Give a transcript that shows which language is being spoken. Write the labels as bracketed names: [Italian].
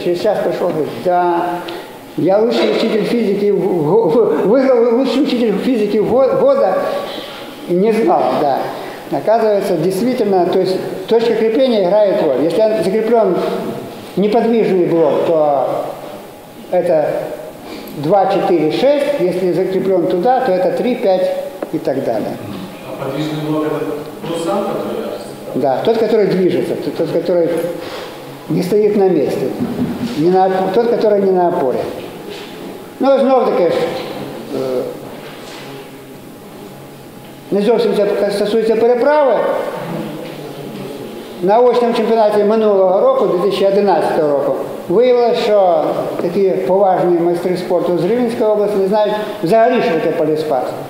[Ukrainian] Через час прийшов, говорить, да, я лучший вчитель фізики, виграв лучший вчитель фізики года, і не знав, да. Оказується, дійсно, то есть, точка кріплення грає роль. Якщо закріплен неподвіжний блок, то це 2, 4, 6, якщо закріплен туди, то це 3, 5 і так далі. [Russian] Подвижный блок это тот сам, который движется? Да, тот, который движется, тот, который не стоит на месте, не на, тот, который не на опоре. [Ukrainian] Ну, знов-таки, не зовсім це стосується переправи. На очному чемпіонаті минулого року, 2011 року, виявилось, що такі поважні майстри спорту з Рівненської області не знають взагалі, що таке поліспас.